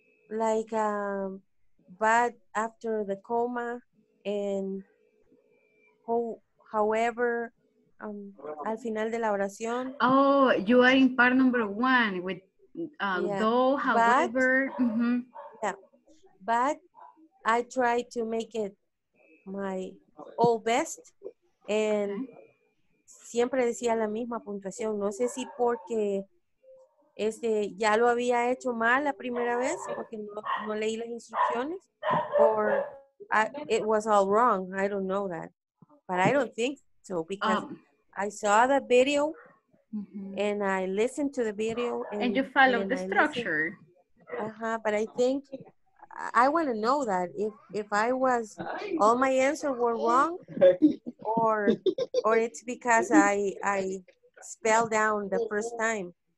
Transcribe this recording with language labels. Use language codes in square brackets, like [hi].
[en] Like, but after the comma and however, al final de la oración. Oh, you are in part number one with though, however. But, mm-hmm. Yeah, but I try to make it my all best. [es] And siempre decía la misma puntuación. No sé si porque ya lo había hecho mal la primera vez porque no leí las instrucciones. [en] Or it was all wrong. I don't know that. But I don't think so, because I saw the video, mm-hmm. and I listened to the video. And you followed the structure. Uh-huh. But I think I want to know that if I was, all my answers were wrong, or it's because I spelled down the first time.